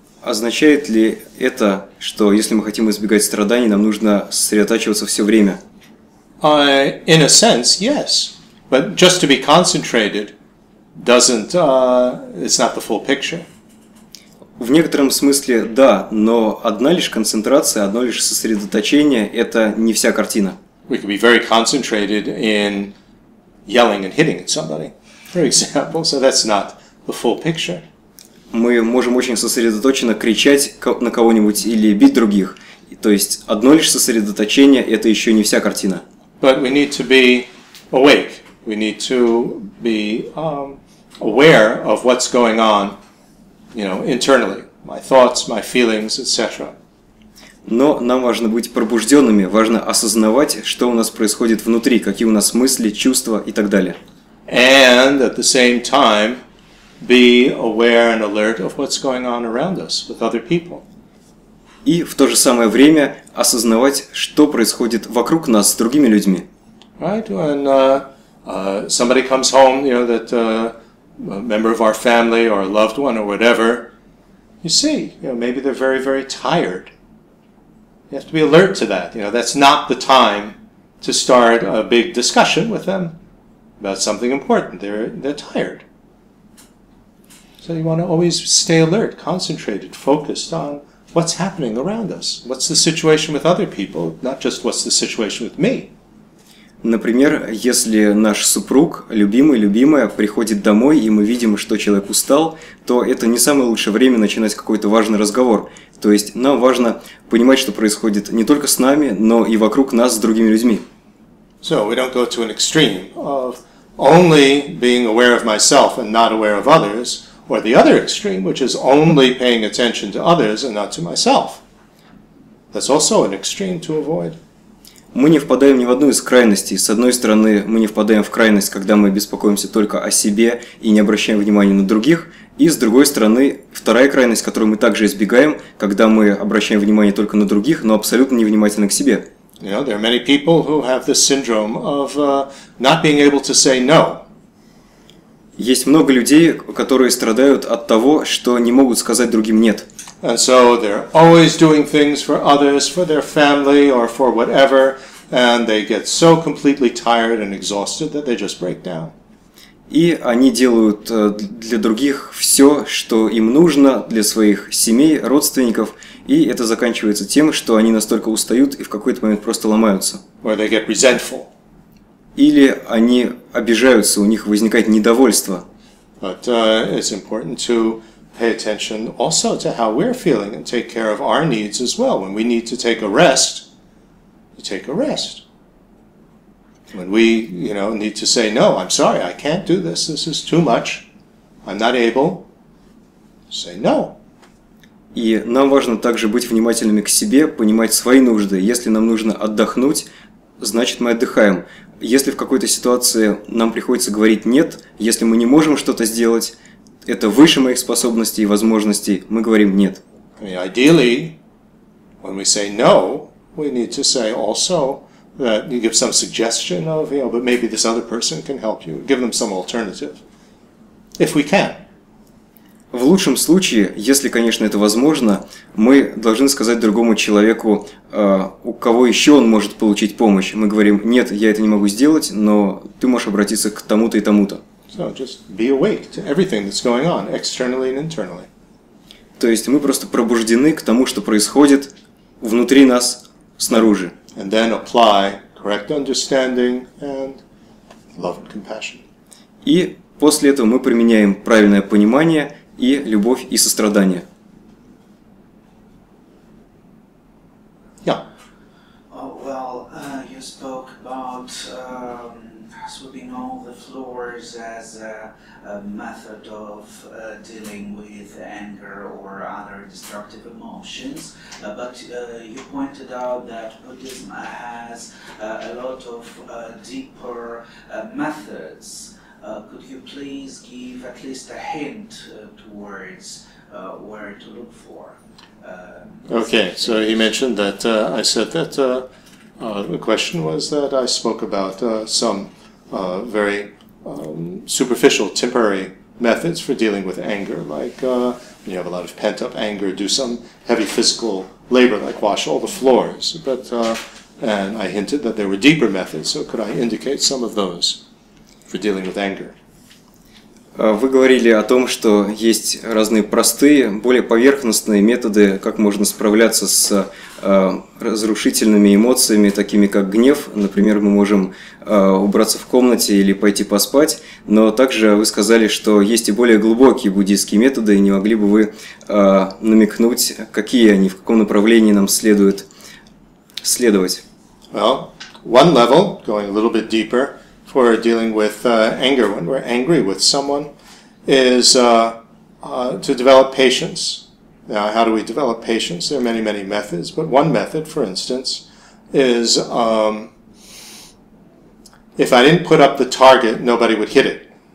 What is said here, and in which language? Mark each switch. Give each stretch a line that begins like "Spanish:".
Russian: Означает ли это, что если мы хотим избегать страданий, нам нужно сосредотачиваться все время?
English: In a sense, yes. But just to be concentrated doesn't, it's not the full picture.
Russian: В некотором смысле да, но одна лишь концентрация, одно лишь сосредоточение – это не вся картина.
English: We could be very concentrated in yelling and hitting at somebody, for example, so that's not the full picture.
Russian: Мы можем очень сосредоточенно кричать на кого-нибудь или бить других, то есть одно лишь сосредоточение – это еще не вся картина.
English: But we need to be awake. We need to be aware of what's going on. You know, internally, my thoughts, my feelings, etc.
Russian: Но нам важно быть пробужденными, важно осознавать, что у нас происходит внутри, какие у нас мысли, чувства и так далее.
English: And at the same time, be aware and alert of what's going on around us with other people.
Russian: И в то же самое время осознавать, что происходит вокруг нас с другими людьми.
English: Right, when somebody comes home, you know that. A member of our family or a loved one or whatever, you see, you know, maybe they're very, very tired. You have to be alert to that. You know, that's not the time to start a big discussion with them about something important. They're tired. So you want to always stay alert, concentrated, focused on what's happening around us. What's the situation with other people, not just what's the situation with me.
Russian: Например, если наш супруг, любимый, любимая, приходит домой, и мы видим, что человек устал, то это не самое лучшее время начинать какой-то важный разговор. То есть нам важно понимать, что происходит не только с нами, но и вокруг нас с другими людьми.
English: So we don't go to an extreme of only being aware of myself and not aware of others, or the other extreme, which is only paying attention to others and not to myself. That's also an extreme to avoid.
Russian: Мы не впадаем ни в одну из крайностей. С одной стороны, мы не впадаем в крайность, когда мы беспокоимся только о себе и не обращаем внимания на других. И с другой стороны, вторая крайность, которую мы также избегаем, когда мы обращаем внимание только на других, но абсолютно невнимательны к себе.
English: You know, there are many people who have this syndrome of not being able to say no.
Russian: Есть много людей, которые страдают от того, что не могут сказать другим «нет».
English: And so they're always doing things for others, for their family, or for whatever, and they get so completely tired and exhausted that they just break down.
Russian: И они делают для других все, что им нужно, для своих семей, родственников, и это заканчивается тем, что они настолько устают и в какой-то момент просто ломаются.
English: Or they get resentful.
Russian: Или они обижаются, у них возникает недовольство.
English: But it's important to pay attention also to how we're feeling and take care of our needs as well. When we need to take a rest, you take a rest. When we, you know, need to say, no, I'm sorry, I can't do this, this is too much, I'm not able, say no.
Russian: И нам важно также быть внимательными к себе, понимать свои нужды. Если нам нужно отдохнуть, значит, мы отдыхаем. если в какой-то ситуации нам приходится говорить «нет», если мы не можем что-то сделать, это выше моих способностей и возможностей, мы говорим «нет».
English: I mean, ideally, when we say no, we need to say also that you give some suggestion of, you know, but maybe this other person can help you, give them some alternative, if we can.
Russian: В лучшем случае, если, конечно, это возможно, мы должны сказать другому человеку, у кого еще он может получить помощь. Мы говорим, нет, я это не могу сделать, но ты можешь обратиться к тому-то и тому-то.
English: So just be awake to everything that's going on, externally and internally.
Russian: То есть мы просто пробуждены к тому, что происходит внутри нас, снаружи.
English: And then apply correct understanding and love and compassion.
Russian: И после этого мы применяем правильное понимание и любовь и сострадание.
English: Yeah. Oh, well, you spoke about sweeping all the floors as a method of dealing with anger or other destructive emotions, but you pointed out that Buddhism has a lot of deeper methods. Could you please give at least a hint towards where to look for? Okay, so he mentioned that I said that the question was that I spoke about some very superficial, temporary methods for dealing with anger, like when you have a lot of pent-up anger, do some heavy physical labor, like wash all the floors. But and I hinted that there were deeper methods, so could I indicate some of those? For dealing with anger.
Russian: Вы говорили о том, что есть разные простые, более поверхностные методы, как можно справляться с разрушительными эмоциями, такими как гнев. Например, мы можем убраться в комнате или пойти поспать. Но также вы сказали, что есть и более глубокие буддийские методы, и не могли бы вы намекнуть, какие они, в каком направлении нам следует следовать?
English: Well, one level, going a little bit deeper. For dealing with anger, when we're angry with someone, is to develop patience. Now, how do we develop patience? There are many, many methods, but one method, for instance, is if I didn't put up the target, nobody would hit it.